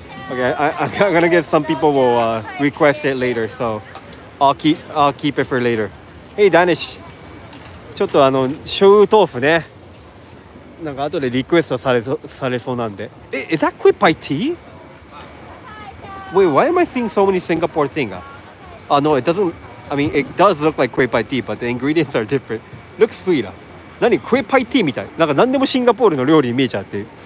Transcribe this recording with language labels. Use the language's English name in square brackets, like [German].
[English] Okay, I'm gonna guess some people will request it later, so I'll keep it for later. Hey, Danish! [Japanese] ちょっとあの、醤油豆腐ね。なんか後でリクエストされそうなんで。 [English] え、is that quick by tea? Wait, why am I seeing so many Singapore things? No, it doesn't... I mean, it does look like quick by tea, but the ingredients are different. Looks sweet. [Japanese] 何? [English] Quick by tea みたい。 [Japanese] なんか何でもシンガポールの料理に見えちゃって。